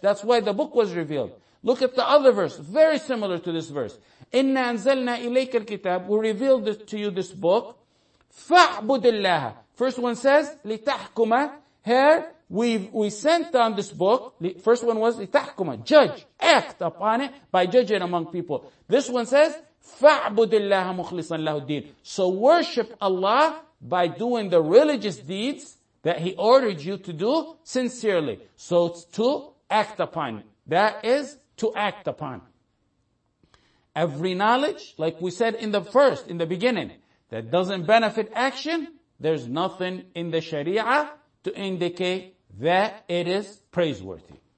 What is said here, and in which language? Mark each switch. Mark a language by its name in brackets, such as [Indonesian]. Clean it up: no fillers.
[English] That's why the book was revealed. Look at the other verse, very similar to this verse. [Arabic] إِنَّا أَنزَلْنَا إِلَيْكَ الْكِتَابِ. [English] We revealed this to you, this book. [Arabic] فَاعْبُدِ اللَّهَ. [English] First one says, لِتَحْكُمَ. Here, we sent down this book. First one was, لِتَحْكُمَ. Judge. Act upon it by judging among people. This one says, [Arabic] فَاعْبُدِ اللَّهَ مُخْلِصًا لَهُ الدِّينِ. [English] So worship Allah by doing the religious deeds that He ordered you to do sincerely. So it's to act upon it. That is to act upon. Every knowledge, like we said in the first, in the beginning, that doesn't benefit action, there's nothing in the Sharia to indicate that it is praiseworthy.